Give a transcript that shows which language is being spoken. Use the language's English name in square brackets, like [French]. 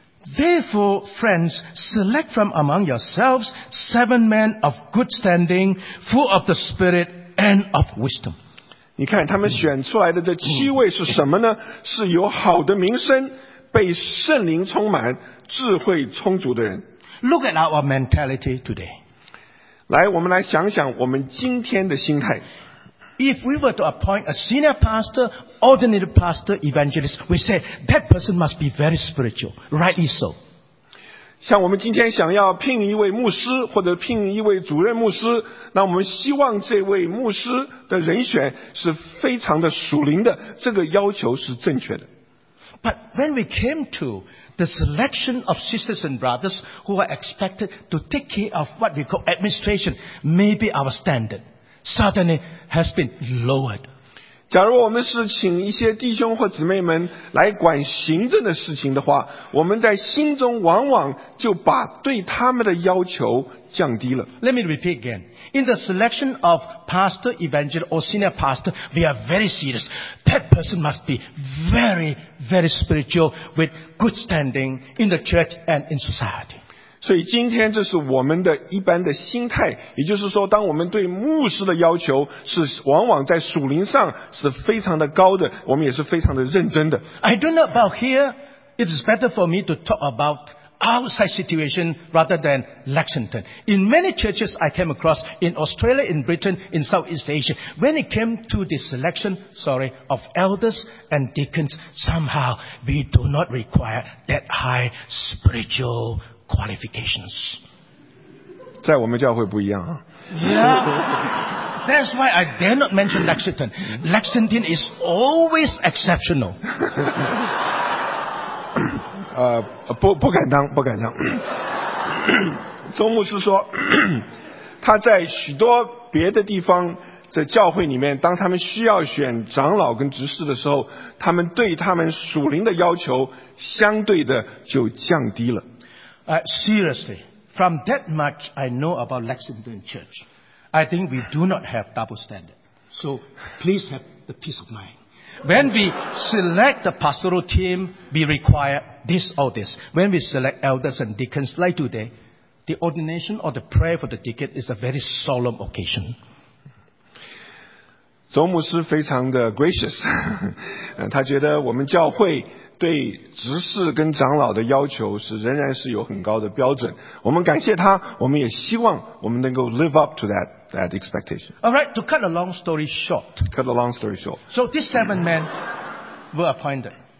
[English] Therefore, friends, select from among yourselves seven men of good standing, full of the Spirit and of wisdom. [Chinese] 你看他们选出来的这七位是什么呢？是有好的名声，被圣灵充满，智慧充足的人。 [English] Look at our mentality today. [Chinese] 来，我们来想想我们今天的心态。 [English] If we were to appoint a senior pastor, ordinary pastor, evangelist, we say that person must be very spiritual, rightly so. [Chinese] 像我们今天想要聘一位牧师或者聘一位主任牧师，那我们希望这位牧师的人选是非常的属灵的，这个要求是正确的。 [English] But when we came to the selection of sisters and brothers who are expected to take care of what we call administration, maybe our standard. Suddenly has been lowered. [Chinese] 假如我们是请一些弟兄或姊妹们来管行政的事情的话，我们在心中往往就把对他们的要求降低了。 [English] Let me repeat again. In the selection of pastor, evangelist, or senior pastor, we are very serious. That person must be very, very spiritual with good standing in the church and in society. [Chinese] 所以今天这是我们的一般的心态，也就是说当我们对牧师的要求是往往在属灵上是非常的高的，我们也是非常的认真的。 [English] I don't know about here, it is better for me to talk about outside situation rather than Lexington. In many churches I came across in Australia, in Britain, in Southeast Asia, when it came to the selection, of elders and deacons, somehow we do not require that high spiritualqualifications. [Chinese] 在我们教会不一样啊。 [English] Yeah. That's why I dare not mention Lexington. Lexington is always exceptional. [Chinese] 不敢当。周牧师说，他在许多别的地方在教会里面，当他们需要选长老跟执事的时候，他们对他们属灵的要求相对的就降低了。 [English] Seriously, from that much I know about Lexington Church, I think we do not have double standard. So please have the peace of mind. When we select the pastoral team, we require this or this. When we select elders and deacons like today,The ordination or the prayer for the deacon is a very solemn occasion. [Chinese] 总牧师非常的 gracious, 他觉得我们教会对执事跟长老的要求是仍然是有很高的标准。我们感谢他，我们也希望我们能够 [English] live up to that expectation. All right, to cut a long story short. So these seven men were appointed.